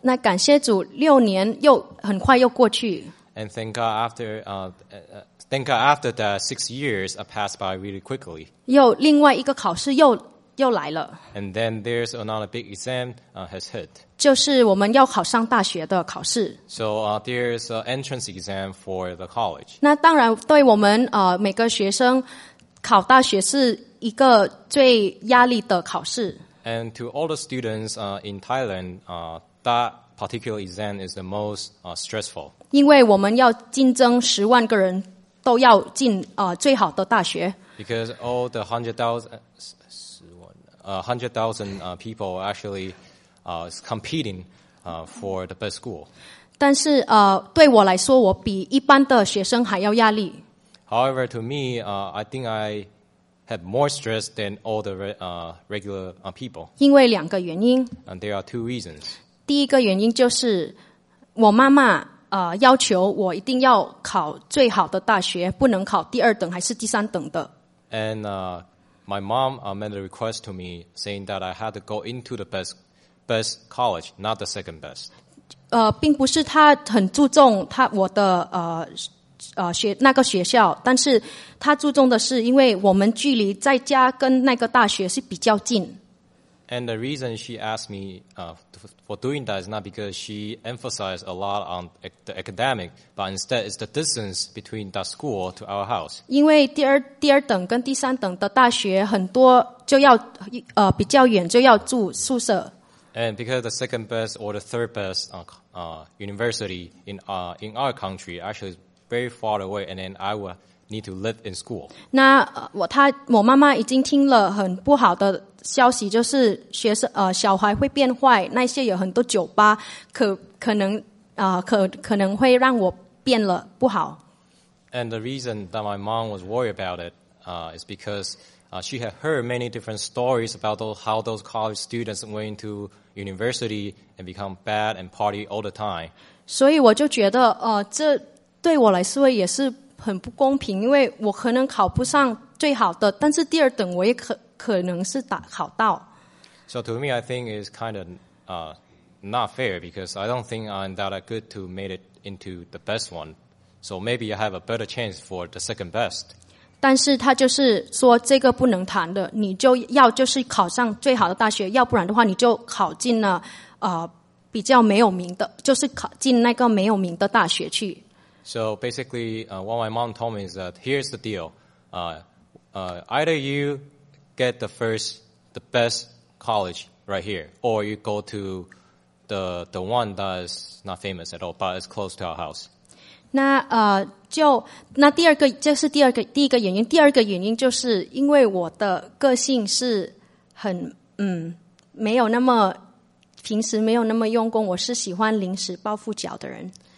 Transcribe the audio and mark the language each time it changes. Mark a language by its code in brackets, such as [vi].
[zh] 那感谢主，六年又很快又过去。 [en] And thank God after that, 6 years passed by really quickly. [zh] 又另外一个考试又来了。 [en] And then there's another big exam has hit. [zh] 就是我们要考上大学的考试。 [en] So there's an entrance exam for the college. [zh] 那当然，对我们每个学生考大学是一个最压力的考试。 [en] And to all the students in Thailand, that particular exam is the most stressful. [zh] 因为我们要竞争十万个人都要进最好的大学。 [en] Because all the 100,000 people actually is competing for the best school. [zh] 但是对我来说，我比一般的学生还要压力。 [en] However, to me, I think I have more stress than all the regular people. [zh] 因为两个原因。 [en] And there are two reasons. [zh] 第一个原因就是我妈妈要求我一定要考最好的大学，不能考第二等还是第三等的。 [en] And my mom made a request to me saying that I had to go into the best college, not the second best. [zh] 并不是她很注重她我的那个学校，但是他注重的是因为我们距离在家跟那个大学是比较近。 [en] And the reason she asked me for doing that is not because she emphasized a lot on the academic, but instead it's the distance between that school to our house. [zh] 因为第二等跟第三等的大学很多就要比较远，就要住宿舍。 [en] And because the second best or the third best university in our country actually very far away, and then I will need to live in school. [zh] 那我他我妈妈已经听了很不好的消息，就是学生小孩会变坏，那些有很多酒吧，可能会让我变了不好。 [en] And the reason that my mom was worried about it, is because she had heard many different stories about how those college students went to university and become bad and party all the time. [zh] 所以我就觉得这对我来说也是很不公平，因为我可能考不上最好的，但是第二等我也可能是考到。 [en] So to me, I think it's kind of not fair because I don't think I'm that good to make it into the best one. So maybe I have a better chance for the second best. [zh] 但是他就是说这个不能谈的，你就要就是考上最好的大学，要不然的话你就考进了比较没有名的，就是考进那个没有名的大学去。 [en] So basically, what my mom told me is that here's the deal. Either you get the best college right here, or you go to the one that is not famous at all, but it's close to our house. [zh] 那第二个就是第一个原因。第二个原因就是因为我的个性是很没有那么平时没有那么用功，我是喜欢临时抱佛脚的人。